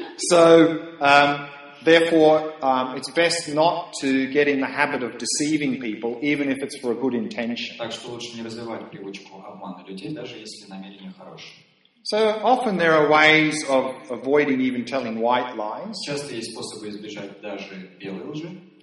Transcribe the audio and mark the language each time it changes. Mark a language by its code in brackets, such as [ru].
[en] So, therefore, it's best not to get in the habit of deceiving people, even if it's for a good intention. [ru] Так что лучше не развивать привычку обмана людей, даже если намерение хорошее. [en] So often there are ways of avoiding even telling white lies. [ru] Часто есть способы избежать даже белой лжи.